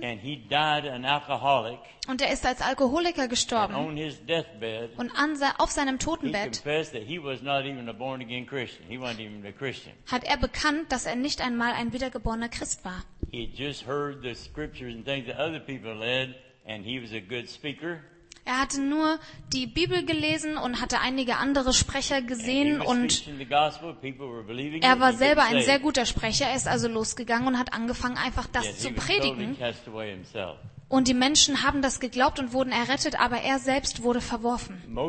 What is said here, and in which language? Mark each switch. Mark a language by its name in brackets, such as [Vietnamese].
[German] Und er ist als Alkoholiker gestorben. Und auf seinem Totenbett hat er bekannt, dass er nicht einmal ein wiedergeborener Christ war. [English] He had just heard the scriptures and things that other people led, and he was a good speaker. [German] Er hatte nur die Bibel gelesen und hatte einige andere Sprecher gesehen und er war selber ein sehr guter Sprecher. Er ist also losgegangen und hat angefangen, einfach das zu predigen. Und die Menschen haben das geglaubt und wurden errettet, aber er selbst wurde verworfen.